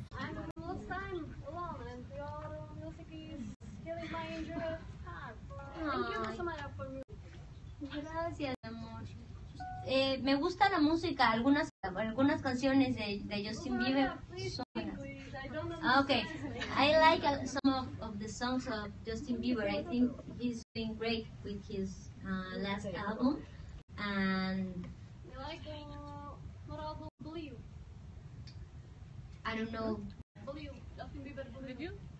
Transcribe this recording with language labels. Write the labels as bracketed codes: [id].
[en] I'm most time alone and your music is healing my injured heart. Thank you so much for music. [es] Gracias, amor. Me gusta la música, algunas canciones de Justin Bieber son buenas. [en] Okay, I like some of the songs of Justin Bieber. I think he's been great with his last album. And you like what album? Believe. I don't know. Believe, Justin Bieber, Believe.